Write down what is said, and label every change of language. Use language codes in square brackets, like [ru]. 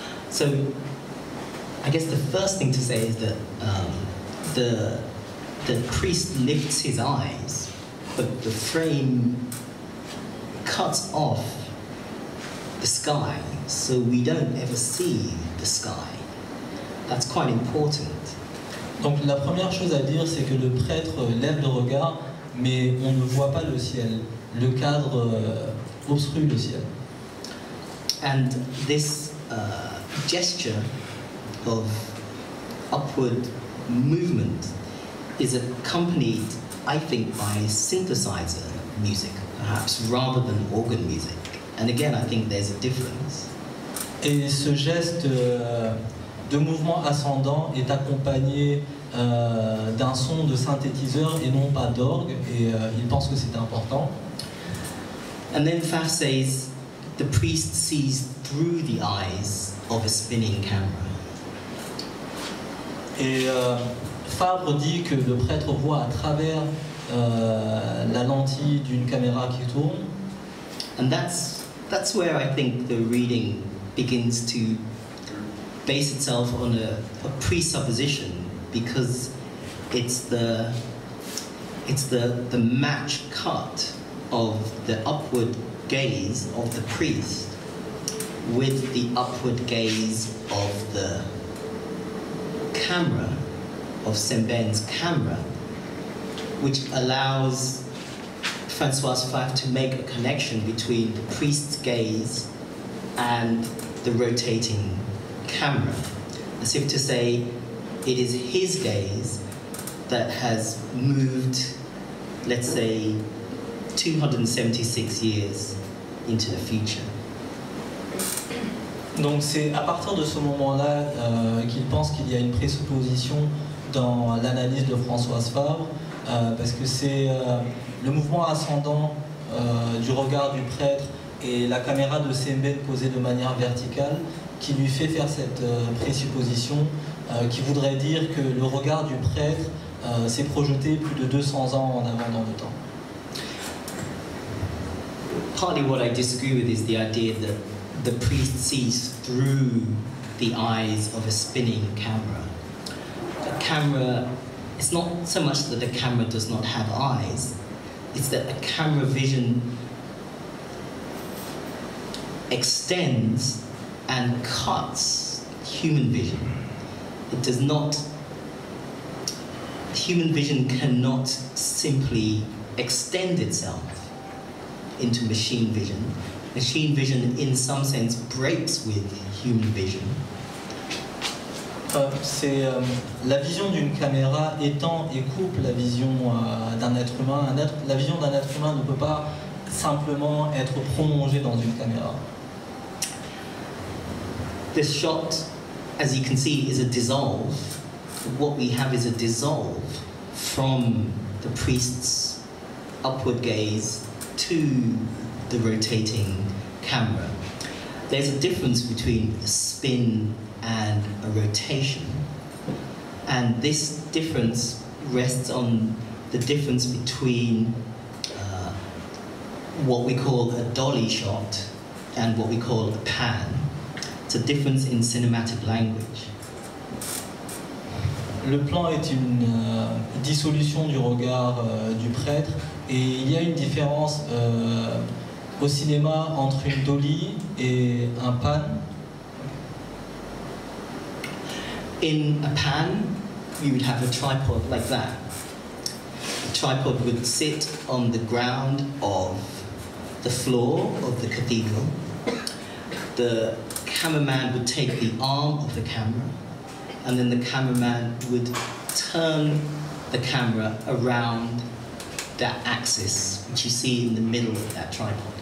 [en] So, I guess the first thing to say is that the priest lifts his eyes, but the frame cuts off the sky, so we don't ever see the sky. That's quite important. [fr] Donc la première chose à dire, c'est que le prêtre lève le regard, mais on ne voit pas le ciel. Le cadre obstrue le ciel. [en] And this gesture of upward movement is accompanied, I think, by synthesizer music, perhaps, rather than organ music. And again, I think there's a difference. [fr] Et ce geste de mouvement ascendant est accompagné d'un son de synthétiseur et non pas d'orgue, et il pense que c'est important. [en] And then Pfaff says, the priest sees through the eyes of a spinning camera. [fr] Et Fabre dit que le prêtre voit à travers la lentille d'une caméra qui tourne. [en] And that's where I think the reading begins to base itself on a presupposition, because it's the match cut of the upward gaze of the priest with the upward gaze of the camera, of Semben's camera, which allows Françoise Pfaff to make a connection between the priest's gaze and the rotating camera, as if to say it is his gaze that has moved, let's say, 276 years into the future. [fr] Donc c'est à partir de ce moment-là qu'il pense qu'il y a une présupposition dans l'analyse de Françoise Fabre, parce que c'est le mouvement ascendant du regard du prêtre et la caméra de Sembène posée de manière verticale qui lui fait faire cette présupposition, qui voudrait dire que le regard du prêtre s'est projeté plus de 200 ans en avant dans le temps. [en] Partly what I disagree with is the idea that the priest sees through the eyes of a spinning camera. Camera, it's not so much that the camera does not have eyes, it's that a camera vision extends and cuts human vision. It does not, human vision cannot simply extend itself into machine vision. Machine vision, in some sense, breaks with human vision. [fr] C'est la vision d'une caméra étend et coupe la vision d'un être humain. La vision d'un être humain ne peut pas simplement être prolongée dans une caméra. [en] This shot, as you can see, is a dissolve. What we have is a dissolve from the priest's upward gaze to the rotating camera. There's a difference between a spin and a rotation, and this difference rests on the difference between what we call a dolly shot and what we call a pan. It's a difference in cinematic language. [fr] Le plan est une dissolution du regard du prêtre, et il y a une différence au cinéma entre une dolly et un pan. [en] In a pan, you would have a tripod like that. A tripod would sit on the ground of the floor of the cathedral. The cameraman would take the arm of the camera, and then the cameraman would turn the camera around that axis, which you see in the middle of that tripod.